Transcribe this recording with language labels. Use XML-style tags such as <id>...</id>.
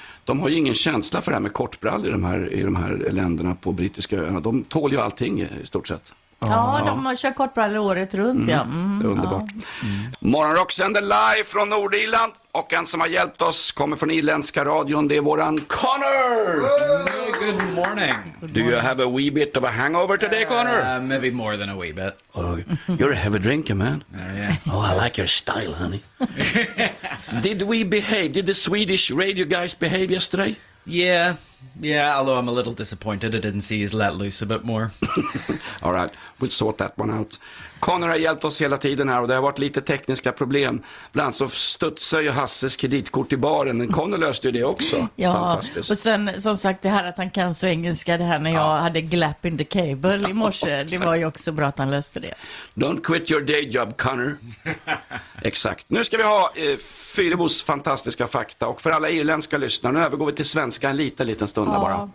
<sv>De har ju ingen känsla för det här med kortbrallor i de här länderna på brittiska öarna. De tål ju allting i stort sett. De har kört kortbrallor året runt. Mm. Ja. Mm, det är underbart. Mm. Morgonrock sänder live från Nordirland. Och en som har hjälpt oss kommer från irländska radion. Det är våran Connor!</sv> <en>Good morning. Do you have a wee bit of a hangover today, Connor? Maybe more than a wee bit. You're a heavy drinker, man. I like your style, honey. Did the Swedish radio guys behave yesterday? Yeah, although I'm a little disappointed I didn't see his let loose a bit more. All right, we'll sort that one out.</en> <sv>Connor har hjälpt oss hela tiden här och det har varit lite tekniska problem. Bland annat så studsar ju Hasses kreditkort i baren, men Connor löste ju det också. Ja, fantastiskt. Och sen som sagt det här att han kan så engelska, det här när jag hade glapp</sv> <en>in the cable</en> <sv>i morse. Det var ju också bra att han löste det.</sv> <en>Don't quit your day job, Connor.</en> <sv>Exakt. Nu ska vi ha Fyrebos fantastiska fakta och för alla irländska lyssnare, nu övergår vi till svenska en liten stund bara.</sv>